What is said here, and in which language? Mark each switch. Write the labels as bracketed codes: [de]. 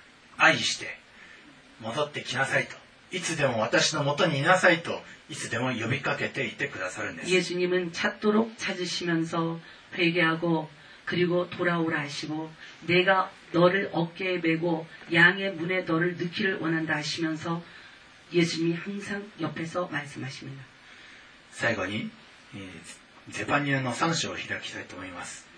[ja] それほどまでに主は皆さんのことを心にかけて愛して戻ってきなさいと。いつでも私のもとにいなさいといつでも呼びかけていてくださるんです。 [ko] 예수님은 찾도록 찾으시면서 회개하고 그리고 돌아오라 하시고 내가 너를 어깨에 메고 양의 문에 너를 넣기를 원한다 하시면서 예수님이 항상 옆에서 말씀하십니다. [ja] 最後に 제파니아の3章を開きたいと思います。